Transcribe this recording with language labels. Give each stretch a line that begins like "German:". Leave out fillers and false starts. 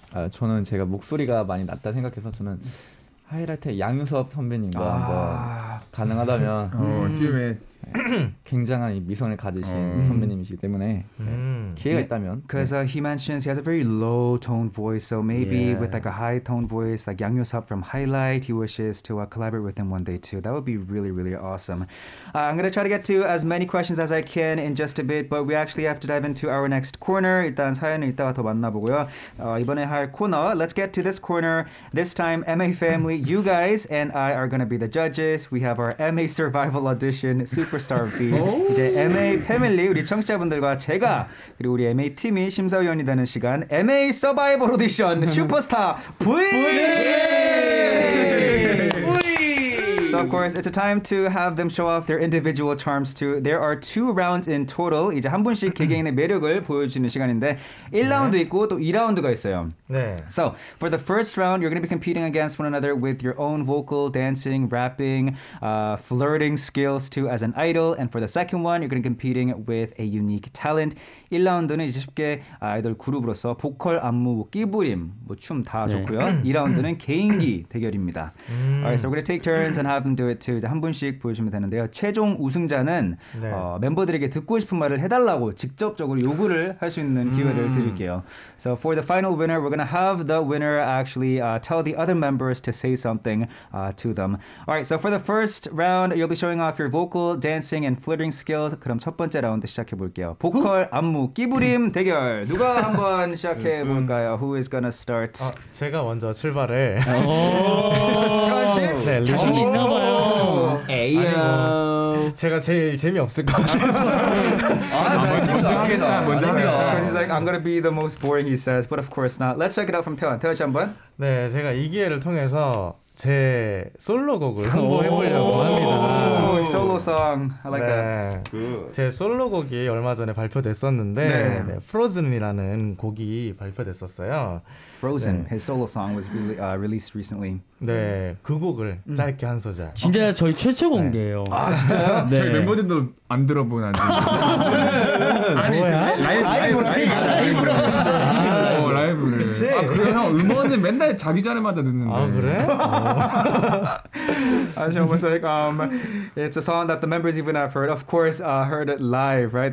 Korean: 저는 제가 목소리가 많이 낮다 생각해서 저는 하이라이트의 양유섭 선배님과 가능하다면 굉장한 미성을 가지신 선배님이시기 때문에 기회가 있다면
English: Because he mentions he has a very low tone voice so maybe with like a high tone voice like 양유섭 from Highlight he wishes to collaborate with him one day too. That would be really really awesome. I'm going to try to get to as many questions as I can in just a bit but we actually have to dive into our next corner.
Korean: 일단 사연을 이따가 더 만나보고요. 이번에 할 코너
English: Let's get to this corner. This time MA family you guys and I are going to be the judges. We have our MA survival audition super Superstar V.
Korean: 이제 MA 패밀리 우리 청취자분들과 제가 그리고 우리 MA 팀이 심사위원이 되는 시간 MA 서바이벌 오디션 슈퍼스타 V.
English: So of course, it's a time to have them show off their individual charms too. There are two rounds in total.
Korean: 이제 한 분씩 개개인의 매력을 보여주는 시간인데 1라운드 네. 있고 또 2라운드가 있어요. 네.
English: So for the first round, you're going to be competing against one another with your own vocal, dancing, rapping, flirting skills too as an idol. And for the second one, you're going to be competing with a unique talent.
Korean: 1라운드는 이제 쉽게 아이돌 그룹으로서 보컬, 안무, 끼부림, 뭐 춤 다 네. 좋고요. 2라운드는 개인기 대결입니다.
English: Alright, so we're going to take turns and have them do it too.
Korean: 이제 한 분씩 보여주면 되는데요. 최종 우승자는 네. 멤버들에게 듣고 싶은 말을 해달라고 직접적으로 요구를 할 수 있는 기회를 드릴게요.
English: So for the final winner, we're going to have the winner actually tell the other members to say something to them. Alright, so for the first round, you'll be showing off your vocal, dancing, and flirting skills.
Korean: 그럼 첫 번째 라운드 시작해볼게요. 보컬, 안무, 끼부림 대결. 누가 한번 시작해볼까요?
English: Who is going to start? 아,
Korean: 제가 먼저 출발해. 네, 자신 있나 봐요. 에이요. 제가 제일 재미없을 것 같아서. 어떻게나 먼저요.
English: He's like I'm gonna be the most boring, he says. But of course not. Let's check it out from 태원.
Korean: 태원 씨 한번. 네, 제가 이 기회를 통해서 제 솔로곡을 홍보해보려고 합니다.
English: Solo song. I like 네. that. Good.
Korean: 제 솔로곡이 얼마 전에 발표됐었는데 네. 네, Frozen이라는 곡이 발표됐었어요.
English: Frozen, 네. his solo song was released recently.
Korean: 네, 그 곡을 짧게 한 소절. 진짜 okay. 저희 최초 공개예요. 네. 아, 진짜요? 네. 저희 멤버들도 안 들어본 아니 뭐야? 라이브라. 그치? 아 그래 형 음원은 맨날 자기 전에마다 듣는데 아 그래?
English: I was almost like it's a song that the members even have heard. Of course, heard it live, right?